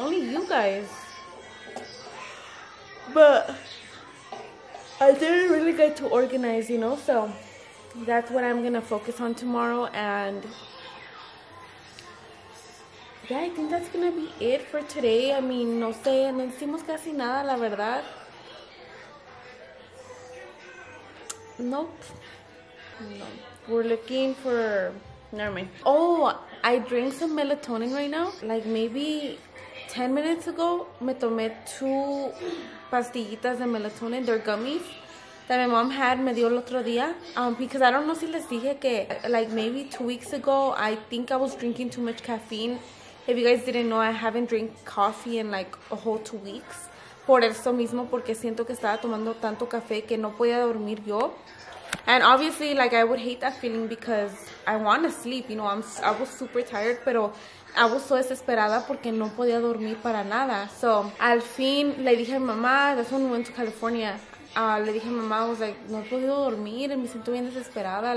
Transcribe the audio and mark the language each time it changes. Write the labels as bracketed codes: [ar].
[en] Only you guys. But I did really good to organize, you know, so that's what I'm gonna focus on tomorrow. And yeah, I think that's gonna be it for today. I mean, [es] no sé, no hicimos casi nada, la verdad. [en] Nope. We're looking for, never mind. Oh, I drank some melatonin right now. Like maybe 10 minutes ago, [es] me tomé [en] two [es] pastillitas de [en] melatonin. They're gummies that my mom had, [es] me dio el otro día. [en] Because I don't know [es] si les dije que, [en] like maybe 2 weeks ago, I think I was drinking too much caffeine. If you guys didn't know, I haven't drank coffee in like a whole 2 weeks. [es] Por eso mismo, porque siento que estaba tomando tanto café que no podía dormir yo. [en] And obviously, like, I would hate that feeling because I want to sleep, you know. I was super tired, [es] pero [en] I was so [es] desesperada porque no podía dormir para nada. So, al fin, le dije a mi mamá, [en] that's when we went to California. [es] Le dije a mi mamá, [en] I was like, [es] no he podido dormir, me siento bien desesperada.